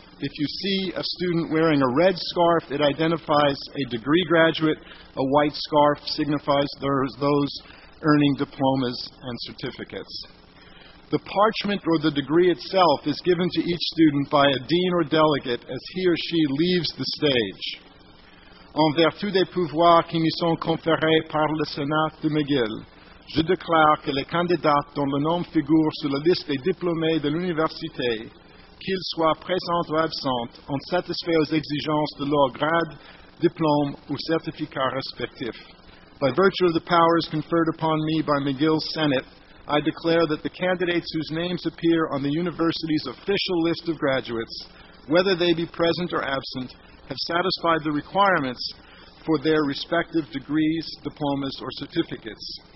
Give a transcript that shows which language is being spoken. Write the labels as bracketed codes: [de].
[en] If you see a student wearing a red scarf, it identifies a degree graduate. A white scarf signifies those earning diplomas and certificates. The parchment or the degree itself is given to each student by a dean or delegate as he or she leaves the stage. [fr] En vertu des pouvoirs qui me sont conférés par le Sénat de McGill, je déclare que les candidats dont le nom figure sur la liste des diplômés de l'université, qu'ils soient présents ou absents, ont satisfait aux exigences de leur grade, diplôme ou certificat respectif. [en] By virtue of the powers conferred upon me by McGill's Senate, I declare that the candidates whose names appear on the university's official list of graduates, whether they be present or absent, have satisfied the requirements for their respective degrees, diplomas, or certificates.